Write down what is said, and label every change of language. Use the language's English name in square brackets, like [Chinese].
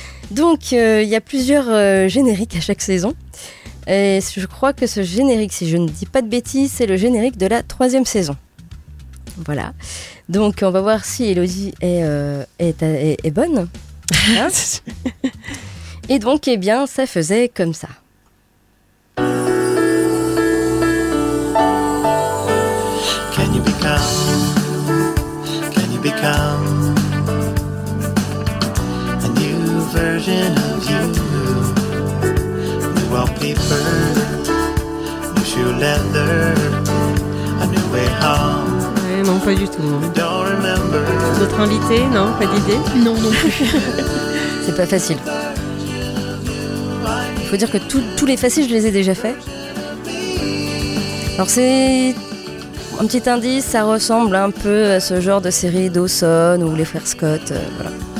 [French] Donc il y a plusieurs génériques à chaque saison. Et je crois que ce générique, si je ne dis pas de bêtises, c'est le générique de la troisième saison. Voilà. Donc on va voir si Elodie est bonne. Hein. Et donc, eh bien, ça faisait comme ça. [English] Can you become, can you become a new version of you? New wallpaper, new shoe leather, a new way home. [French] Non, pas du tout. D'autres invités, non, pas d'idée. Non, non plus. C'est pas facile. Il faut dire que tous les faciles, je les ai déjà faits. Alors c'est un petit indice, ça ressemble un peu à ce genre de série Dawson ou les frères Scott, voilà.